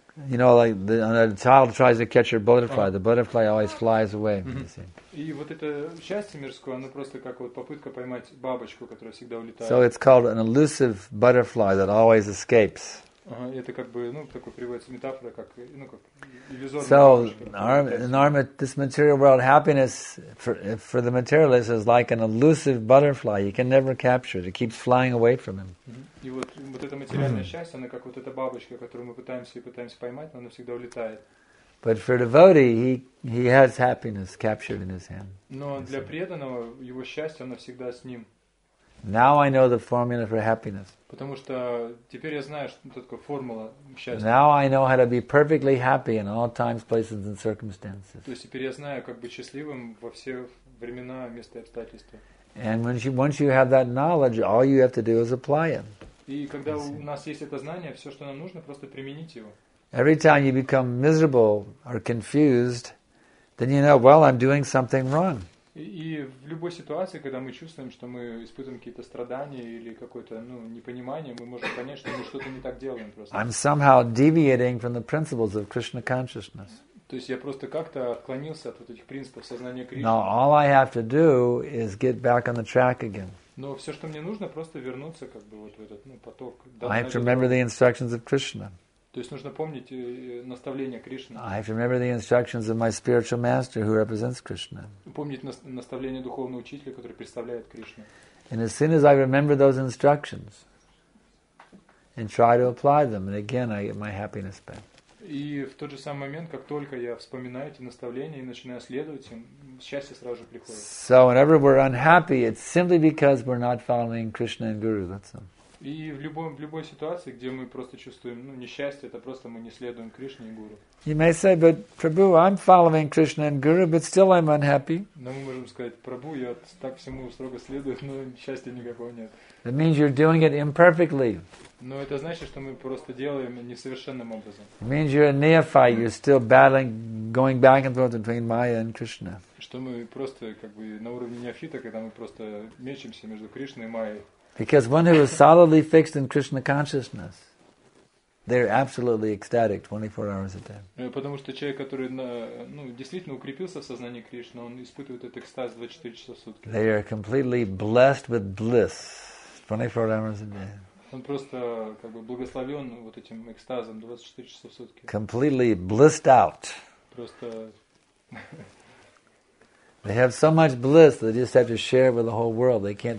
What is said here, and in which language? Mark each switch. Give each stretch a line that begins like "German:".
English: You know, like a child tries to catch a butterfly. The butterfly always flies away.
Russian: И вот это счастье мирское, оно просто как вот попытка поймать бабочку, которая всегда улетает.
English: So it's called an elusive butterfly that always escapes.
Russian: Это как бы ну такой приводится метафора, как ну как иллюзорная.
English: So this material world happiness for the materialist is like an elusive butterfly. You can never capture it. It keeps flying away from him.
Russian: И вот это материальное счастье, оно как вот эта бабочка, которую мы пытаемся поймать, но она всегда улетает.
English: But for devotee, he has happiness captured in his hand.
Russian: Но для преданного его счастье оно всегда с ним.
English: Now I know the formula for happiness.
Russian: Потому что теперь я знаю, что это такая формула счастья.
English: Now I know how to be perfectly happy in all times, places, and circumstances.
Russian: То есть теперь я знаю, как быть счастливым во все времена, места и обстоятельства.
English: And once you have that knowledge, all you have to do is apply it.
Russian: И когда у нас есть это знание, все, что нам нужно, просто применить его.
English: Every time you become miserable or confused, then you know, well, I'm doing something wrong.
Russian: И в любой ситуации, когда мы чувствуем, что мы испытываем какие-то страдания или какое-то ну, непонимание, мы можем понять, что мы что-то не так делаем просто.
English: I'm somehow deviating from the principles of Krishna consciousness.
Russian: То есть я просто как-то отклонился от вот этих принципов сознания Кришны.
English: Now all I have to do is get back on the track again.
Russian: Но все, что мне нужно, просто вернуться как бы вот в этот, ну, поток.
English: Да, I have to remember the instructions of Krishna.
Russian: То есть нужно помнить наставления Кришны.
English: I have to remember the instructions of my spiritual master who represents Krishna.
Russian: Помнить наставления духовного учителя, который представляет Кришну.
English: And as soon as I remember those instructions and try to apply them, and again I get my happiness back.
Russian: И в тот же самый момент, как только я вспоминаю эти наставления и начинаю следовать им, счастье сразу же приходит.
English: So whenever we're unhappy, it's simply because we're not following Krishna and Guru. That's all.
Russian: И в любой ситуации, где мы просто чувствуем, ну, несчастье, это просто мы не следуем Кришне и Гуру.
English: You may say, but Prabhu, I'm following Krishna and Guru, but still I'm unhappy.
Russian: Но мы можем сказать, Прабу, я так всему строго следую, но счастья никакого нет.
English: That means you're doing it imperfectly.
Russian: Но это значит, что мы просто делаем несовершенным образом.
English: It means you're a neophyte, you're still battling, going back and forth between Maya and Krishna.
Russian: Что мы просто как бы на уровне неофита, когда мы просто мечемся между Кришной и Майей.
English: Because one who is solidly fixed in Krishna consciousness, they're absolutely ecstatic 24 hours a day.
Russian: Потому что человек, который действительно укрепился в сознании Кришны, он испытывает этот экстаз 24 часа в сутки.
English: They are completely blessed with bliss 24 hours a day.
Russian: Он просто как бы благословен вот этим экстазом 24 часа в сутки.
English: Completely blissed out.
Russian: Просто.
English: They have so much bliss that they just have to share with the whole world. They can't.